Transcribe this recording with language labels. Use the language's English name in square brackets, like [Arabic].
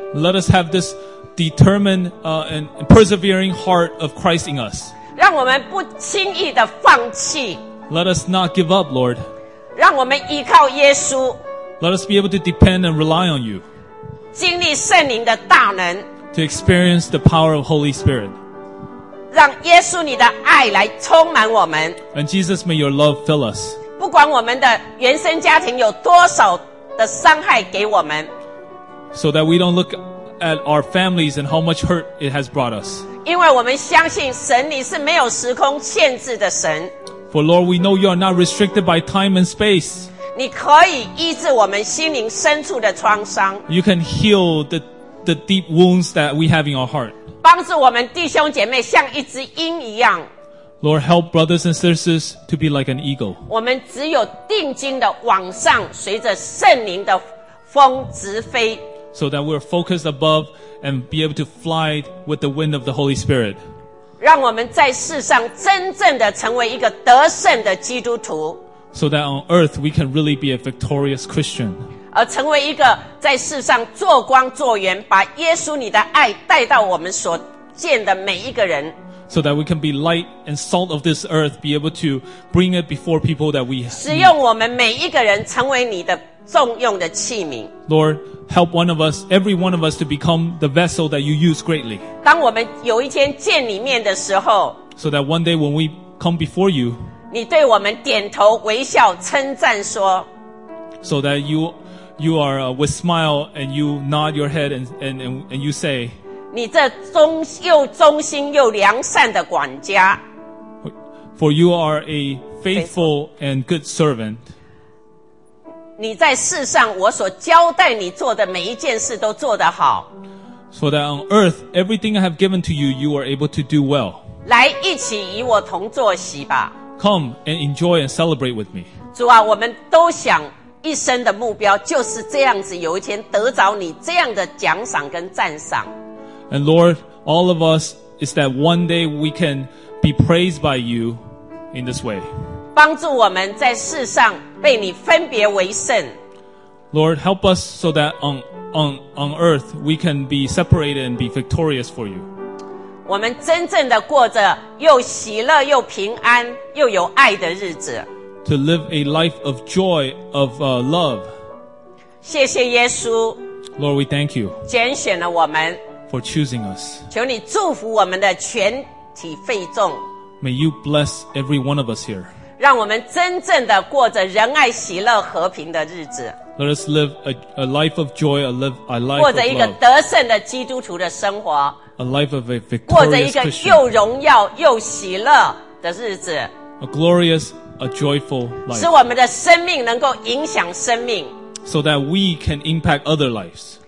[English] Let us have this determined, and persevering heart of Christ in us. [Chinese] 让我们不轻易的放弃。 [English] Let us not give up, Lord. [Chinese] 让我们依靠耶稣。 [English] Let us be able to depend and rely on you. [Chinese] 经历圣灵的大能。 [English] To experience the power of Holy Spirit. [Chinese] 让耶稣你的爱来充满我们。 [English] And Jesus, may your love fill us. [Chinese] 不管我们的原生家庭有多少的伤害给我们。 [English] So that we don't look at our families and how much hurt it has brought us. [Chinese] 因为我们相信神你是没有时空限制的神。 [English] For Lord, we know you are not restricted by time and space. [Chinese] 你可以医治我们心灵深处的创伤。 [English] You can heal the deep wounds that we have in our heart. [Chinese] 帮助我们弟兄姐妹像一只鹰一样。 [English] Lord, help brothers and sisters to be like an eagle. [Chinese] 我们只有定睛的往上，随着圣灵的风直飞。 [English] So that we're focused above and be able to fly with the wind of the Holy Spirit. [Chinese] 让我们在世上真正的成为一个得胜的基督徒。 [English] So that on earth we can really be a victorious Christian. [Chinese] 而成为一个在世上做光做盐，把耶稣你的爱带到我们所见的每一个人。 [English] So that we can be light and salt of this earth, be able to bring it before people that we. [Chinese] 使用我们每一个人成为你的重用的器皿。 [English] Lord, help one of us, every one of us, to become the vessel that you use greatly. [Chinese] 当我们有一天见你面的时候。 [English] So that one day when we come before you, [Chinese] 你对我们点头微笑称赞说。 [English] So that you are with smile and you nod your head and you say, [Chinese] 你这又忠心又良善的管家。 [English] For you are a faithful and good servant. [Chinese] 你在世上我所交代你做的每一件事都做得好。 [English] So that on earth, everything I have given to you, you are able to do well. [Chinese] 来一起与我同坐席吧。 [English] Come and enjoy and celebrate with me. [Chinese] 主啊，我们都想一生的目标就是这样子，有一天得着你这样的奖赏跟赞赏。 [English] And Lord, all of us is that one day we can be praised by you in this way. [Chinese] 帮助我们在世上被你分别为圣。 [English] Lord, help us so that on earth we can be separated and be victorious for you. [Chinese] 我们真正的过着又喜乐又平安又有爱的日子。 [English] To live a life of joy, of love. [Chinese] 谢谢耶稣。 [English] Lord, we thank you. [Chinese] 拣选了我们。 [English] For choosing us. [Chinese] 求你祝福我们的全体会众。 [English] May you bless every one of us here. [Chinese] 让我们真正的过着仁爱、喜乐、和平的日子。 [English] Let us live a life of joy, a life of love. [Chinese] 过着一个得胜的基督徒的生活。 [English] A life of a victorious Christian. [Chinese] 过着一个又荣耀又喜乐的日子。 [English] A gloriousA joyful life. [Chinese] 使我们的生命能够影响生命。 [English] So that we can impact other lives.